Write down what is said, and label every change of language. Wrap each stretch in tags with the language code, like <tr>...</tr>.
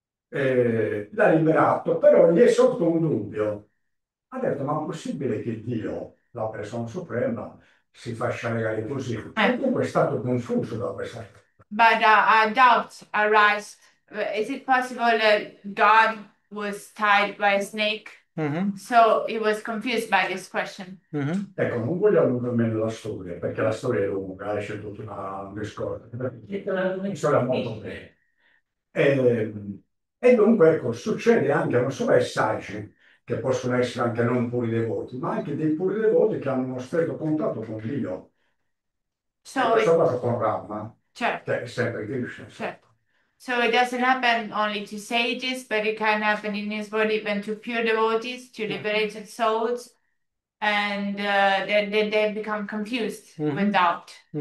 <it>L'ha liberato, però gli è sorto un dubbio. Ha detto, ma è possibile che Dio, la persona suprema, si faccia legare così, e comunque è stato confuso da questa.</it> <en>A doubt arise. Is it possible that God was tied by a snake? So he was confused by this question.</en> <it>Ecco, non voglio allungarmi nella storia, perché la storia è lunga, c'è tutto un discorso, la storia è molto breve. E dunque, ecco, succede anche, non so, ai saggi, che possono essere anche non puri devoti, ma anche dei puri devoti che hanno uno stretto contatto con Dio. E</it> <en>So</en> <it>questo</it> <en>it,</en> <it>caso con Rama, che è sempre Krishna.</it> <en>So it doesn't happen only to sages, but it can happen in his body even to pure devotees, to liberated souls, and they become confused with doubt.</en>